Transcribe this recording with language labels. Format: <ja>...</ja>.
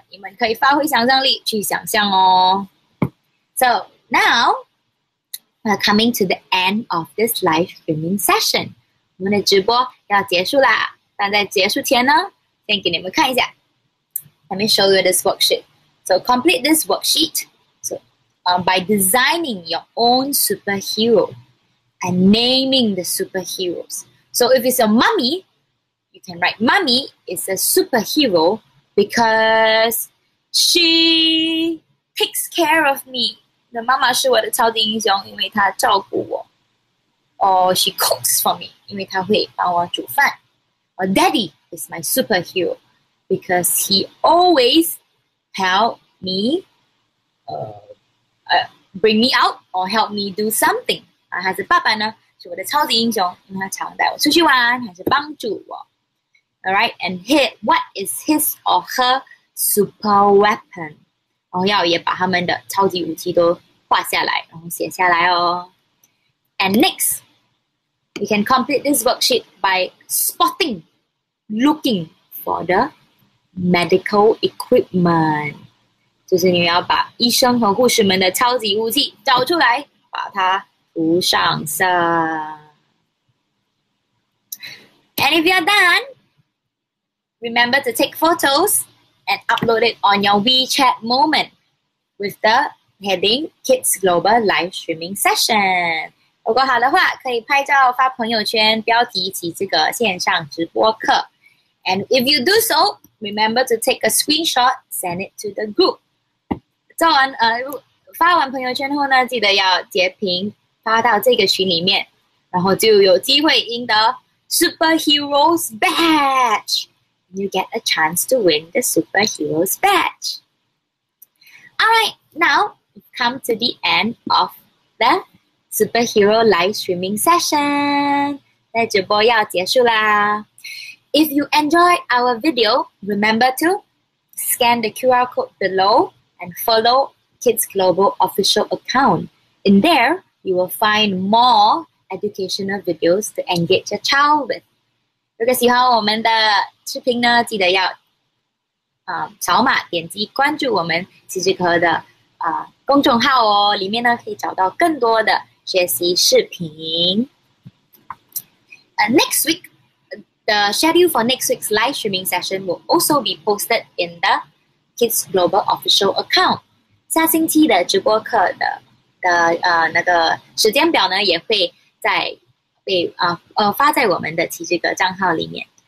<zh>你们可以发挥想象力去想象哦。</zh> <en>So now, we're coming to the end of this live streaming session.</en> <zh>我们的直播要结束啦。但在结束前呢，先给你们看一下。</zh> <en>Let me show you this worksheet. So complete this worksheet. So, by designing your own superhero and naming the superheroes. So if it's a mummy, you can write, Mummy is a superhero because she takes care of me.</en> <zh>那妈妈是我的超级英雄，因为她照顾我。</zh> <en>Or she cooks for me,</en> <zh>因为她会帮我煮饭。</zh> <en>Or Daddy is my superhero because he always help me, bring me out or help me do something.</en> <zh>还是爸爸呢？是我的超级英雄，因为他常带我出去玩，还是帮助我。</zh> <en>All right, and here, what is his or her super weapon?</en> <zh>然后要也把他们的超级武器都画下来，然后写下来哦。</zh> <en>And next, we can complete this worksheet by spotting, looking for the medical equipment.</en> <zh>就是你要把医生和护士们的超级武器找出来，把它。不上色。</zh> <en>And if you're done, remember to take photos and upload it on your WeChat moment with the heading Kidsglobal Live Streaming Session.</en> <zh>如果好的话，可以拍照发朋友圈，标题启智阁线上直播课。</zh> <en>And if you do so, remember to take a screenshot, send it to the group.</en> <zh>做完发完朋友圈后呢，记得要截屏。发到这个群里面，然后就有机会赢得 Superheroes Badge.</zh> <en>You get a chance to win the Superheroes Badge. Alright, now we've come to the end of the Superhero Live Streaming Session.</en> <zh>那直播要结束啦。</zh> <en>If you enjoy our video, remember to scan the QR code below and follow Kidsglobal official account. In there, you will find more educational videos to engage your child with.</en> <zh>如果喜欢我们的视频呢, 记得要扫码点击关注我们启智阁的 公众号哦, 里面呢, 可以找到更多的学习视频。</zh> <en>Next week, the schedule for next week's live streaming session will also be posted in the Kidsglobal official account.</en> <zh>下星期的直播课的那个时间表呢，也会在被发在我们的奇智阁账号里面。</zh>